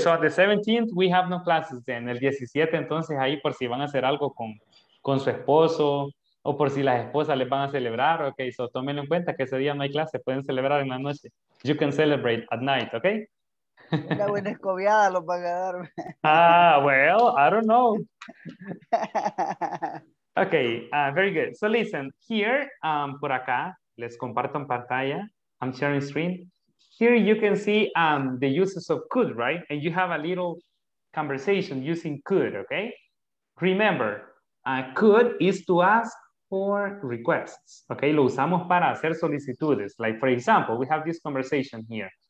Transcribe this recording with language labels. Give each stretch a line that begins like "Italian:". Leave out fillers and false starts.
English: So on the 17th, we have no classes then.
Spanish: El 17, entonces, ahí por si van a hacer algo con su esposo o por si las esposas les van a celebrar.
English: Okay, so
Spanish: tómenlo en cuenta que ese día no hay clase. Pueden celebrar en la noche.
English: You can celebrate at night, okay?
Spanish: Una buena escobiada los van a dar.
English: Ah, well, I don't know. Okay, very good. So listen, here,
Spanish: por acá, les comparto en pantalla.
English: I'm sharing screen. Here you can see the uses of could, right? And you have a little conversation using could, okay? Remember, could is to ask for requests, okay?
Spanish: Lo usamos para hacer solicitudes.
English: Like, for example, we have this conversation here.